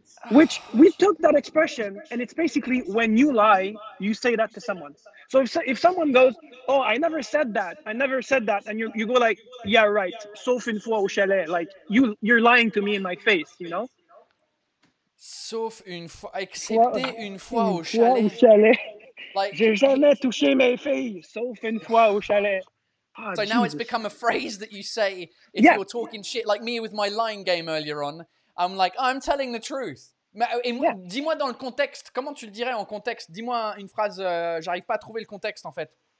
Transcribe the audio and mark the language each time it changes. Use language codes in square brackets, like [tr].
[en] Which we took that expression, and it's basically when you lie, you say that to someone. So if someone goes, oh, I never said that, and you go like, yeah, right, [fr] sauf une fois au chalet, [en] like you're lying to me in my face, you know? [fr] Sauf une fois, excepté une fois au chalet. Like, j'ai jamais touché mes filles, sauf une fois au chalet. [en] So now it's become a phrase that you say if you're talking shit, like me with my lying game earlier on. I'm like, oh, I'm telling the truth. [fr] Mais, et moi, dis-moi dans le contexte, comment tu le dirais en contexte? Dis-moi une phrase, j'arrive pas à trouver le contexte en fait.